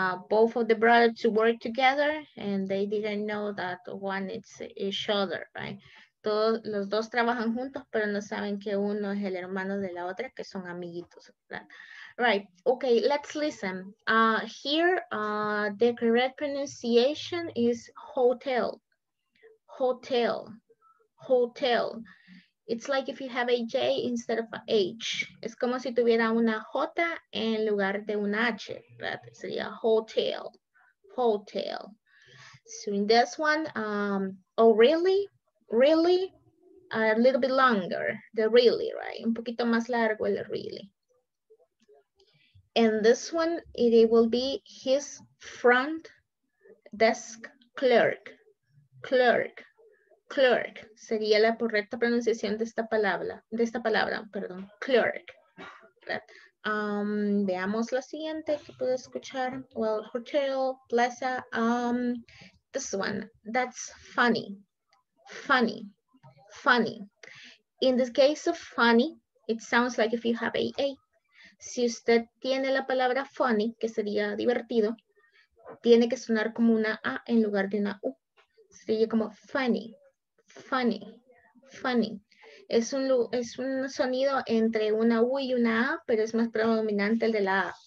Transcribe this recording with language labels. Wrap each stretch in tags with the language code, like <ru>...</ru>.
<en>Both of the brothers work together and they didn't know that one is each other, right?</en> <es>Todos, los dos trabajan juntos, pero no saben que uno es el hermano de la otra, que son amiguitos, ¿verdad?</es> <en>Right, okay, let's listen. Here, the correct pronunciation is hotel. Hotel. Hotel. It's like if you have a J instead of a H.</en> <es>Es como si tuviera una J en lugar de una H, ¿verdad? Sería hotel. Hotel.</es> <en>So in this one, oh, really? Really, a little bit longer, the really, right?</en> <es>Un poquito más largo el really.</es> <en>And this one, it will be his front desk clerk.</en> <es>Clerk, clerk, sería la correcta pronunciación de esta palabra, perdón, clerk. Veamos la siguiente que puedo escuchar.</es> <en>Well, hotel, plaza, this one, that's funny. Funny, funny. In this case of funny, it sounds like if you have a.</en> <es>Si usted tiene la palabra funny, que sería divertido, tiene que sonar como una A en lugar de una U. Sería como funny, funny, funny. Es un sonido entre una U y una A, pero es más predominante el de la A.</es>